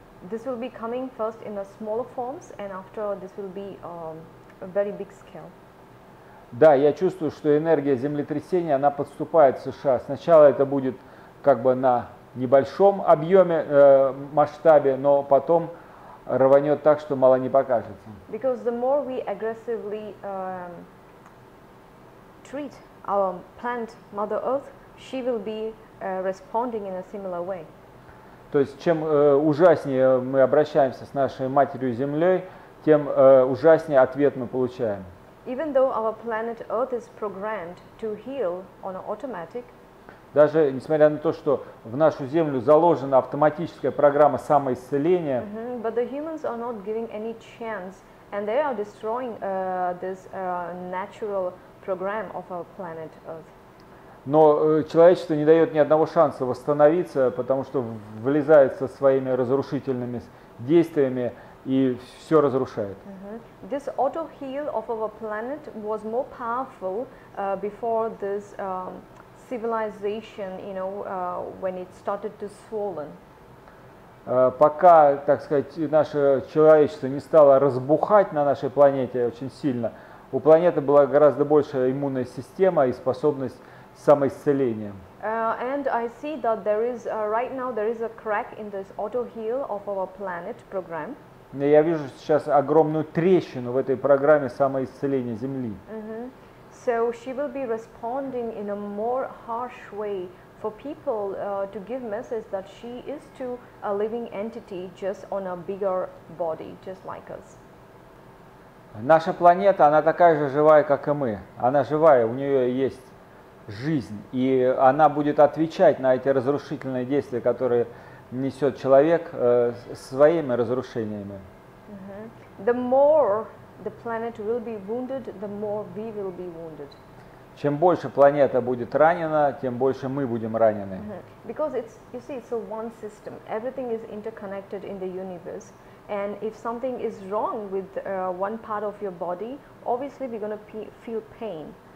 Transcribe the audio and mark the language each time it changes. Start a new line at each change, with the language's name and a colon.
English: This will be coming first in the smaller forms, and after this will be a very big scale.
Russian: Да, я чувствую, что энергия землетрясения, она подступает в США. Сначала это будет как бы на небольшом объеме, масштабе, но потом рванет так, что мало не покажется.
English: Because the more we aggressively treat our planet Mother Earth, she will be responding in a similar way.
Russian: То есть чем ужаснее мы обращаемся с нашей матерью Землей, тем ужаснее ответ мы получаем.
English: Even though our planet Earth is programmed to heal on automatic.
Russian: Даже несмотря на то, что в нашу Землю заложена автоматическая программа самоисцеления,
English: but the humans are not giving any chance, and they are destroying this natural program of our planet Earth.
Russian: Но человечество не дает ни одного шанса восстановиться, потому что влезает со своими разрушительными действиями и все разрушает.
English: This auto heal of our planet was more powerful before this civilization, you know, when it started to swollen.
Russian: Пока, так сказать, наше человечество не стало разбухать на нашей планете очень сильно, у планеты была гораздо большая иммунная система и способность самоисцеления.
English: And I see that there is right now there is a crack in this auto heal of our planet program.
Russian: Я вижу сейчас огромную трещину в этой программе самоисцеления Земли.
English: So she will be responding in a more harsh way for people to give message that she is to a living entity just on a bigger body, just like us.
Russian: Наша планета, она такая же живая, как и мы. Она живая, у нее есть жизнь, и она будет отвечать на эти разрушительные действия, которые несет человек своими разрушениями.
English: The more the planet will be wounded, the more we will be wounded.
Russian: Чем больше планета будет ранена, тем больше мы будем ранены.
English: Because it's, you see, it's a one system. Everything is interconnected in the universe. And if something is wrong with one part of your body, obviously we're going to feel pain.